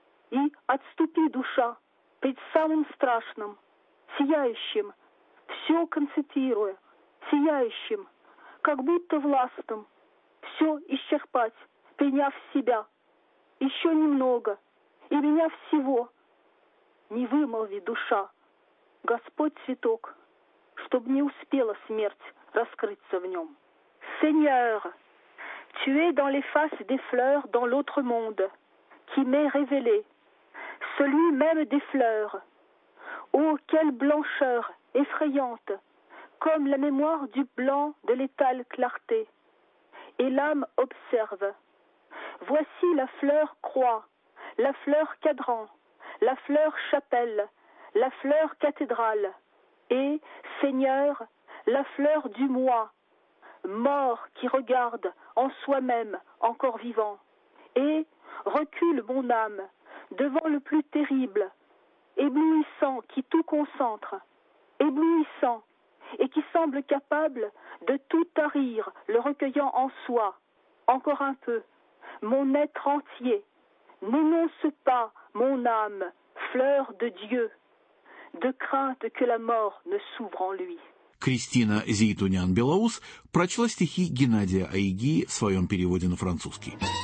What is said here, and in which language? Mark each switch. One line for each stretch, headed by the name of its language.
Russian: И отступи, душа, пред самым страшным, сияющим, все концентрируя, сияющим, как будто властным, все исчерпать, приняв себя, еще немного, и меня всего. Не вымолви, душа, Господь цветок, чтоб не успела смерть раскрыться в нем.
French: Seigneur, tu es dans les faces des fleurs dans l'autre monde, qui m'est révélé, celui même des fleurs. Oh, quelle blancheur effrayante, comme la mémoire du blanc de l'étale clarté. Et l'âme observe. Voici la fleur croix, la fleur cadran, la fleur chapelle, la fleur cathédrale. Et, Seigneur, la fleur du moi, mort qui regarde en soi-même encore vivant. Et recule mon âme devant le plus terrible, éblouissant qui tout concentre. Éblouissant et qui semble capable de tout tarir, le recueillant en soi, encore un peu, mon être entier. N'énonce pas, mon âme, fleur de Dieu, de crainte que la mort ne s'ouvre en lui.
Russian: Кристина Зейтунян-Белаус прочла стихи Геннадия Айги в своем переводе на французский.